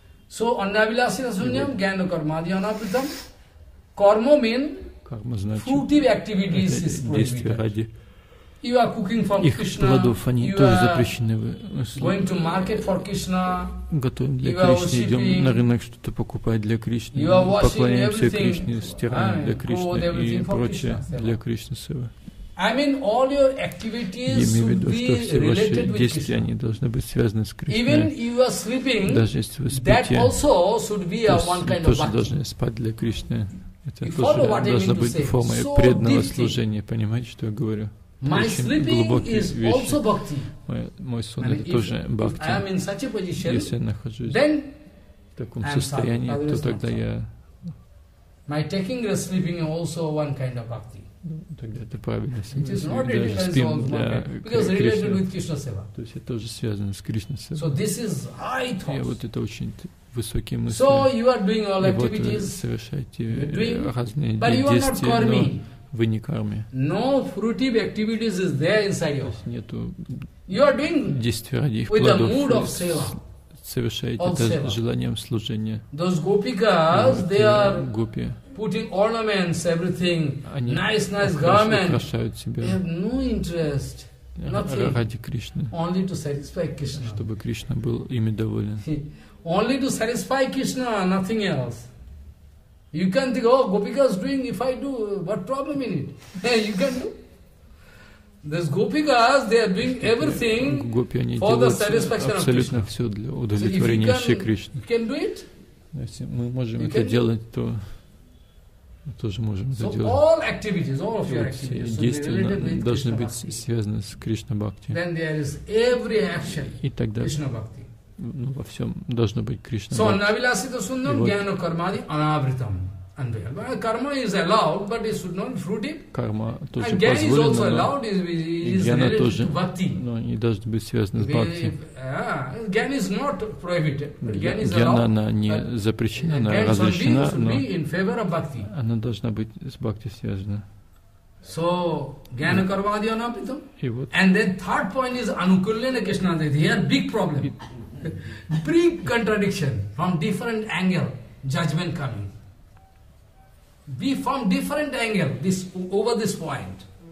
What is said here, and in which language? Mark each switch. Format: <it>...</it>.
<en>So</en> <sa>annavilasina sunyam gyano karmadi anapritam.</sa> <en>Karma mean fruitive activities is prohibited. You are cooking for Krishna.</en> <ru>Они тоже запрещены.</ru> <en>Going to market for Krishna.</en> <ru>Готовим для Кришны, идем на рынок что-то покупать для Кришны. Поклоняемся Кришне, стираем для Кришны и прочее для Кришны сева.</ru> <en>I mean, all your activities should be related with Krishna.</en> <ru>Действия, они должны быть связаны с Кришной.</ru> <en>Even if you are sleeping,</en> <ru>даже если вы спите,</ru> <en>that also should be a one kind of</en> <ru>тоже должны спать для Кришны. Это тоже должно быть формой преданного служения. Понимаете, что я говорю?</ru> <en>My sleeping is also bhakti.</en> <ru>Мой сон это тоже бхакти. Если я нахожусь в таком состоянии, то тогда я.</ru> <en>My taking rest sleeping also one kind of bhakti.</en> <ru>Тогда это правильно.</ru> <en>It is not a spin, because related with Krishna seva.</en> <ru>То есть это тоже связано с Кришна сева.</ru> <en>So this is high thoughts.</en> <ru>И вот это очень высокие мысли.</ru> <en>So you are doing all activities.</en> <ru>И вот совершаете разные действия, но вы не карми.</ru> <en>No fruitive activities is there inside you.</en> <ru>Нету.</ru> <en>You are doing</en> <ru>действия ради их плодов.</ru> <en>With the mood of seva.</en> <ru>Совершаете это с желанием служения.</ru> <en>Those gopikas, they are putting ornaments, everything,</en> <ru>они</ru> <en>nice garments.</en> <ru>Они украшают себя.</ru> <en>They have no interest. Nothing.</en> <ru>Ради Кришны.</ru> <en>Only to satisfy Krishna.</en> <ru>Чтобы Кришна был ими доволен.</ru> <en>Only to satisfy Krishna, nothing else. You can think, oh, gopikas doing, if I do, what problem in it? You can do. These gopikas, they are doing everything gopi, for the satisfaction of Krishna.</en> <ru>Абсолютно все для удовлетворения Шри Кришны.</ru> <en>You can do it.</en> <ru>Если мы можем это делать, то мы тоже можем это делать.</ru> <en>So all activities, all of your activities,</en> <ru>действия должны быть связаны с Кришна Бхакти.</ru> <en>Then there is every action, Кришна Бхакти.</en> <ru>Ну, во всем должно быть Кришна Бхакти.</ru> <en>So</en> <sa>Navilasita Sundam Gyano Karmadi Anavritam.</sa> <en>Karma is allowed, but it should not be fruitive. Karma</en> <ru>тоже позволено.</ru> <en>Gyan is also allowed, it is related to Bhakti.</en> <ru>Но они должны быть связаны с Бхакти.</ru> <en>Gyan is not prohibited, but Gyan is Gyan allowed.</en> <ru>Она не запрещена, она разрешена, но она должна быть с Бхакти связана.</ru> <en>So, Gyan Karma Adhyana Pitam.</en> <ru>Вот.</ru> <en>And then third point is Anukulena Krishna Adhyana. Here, big problem. Big contradiction from different angle, judgment coming. We from different angle this over this point.</en>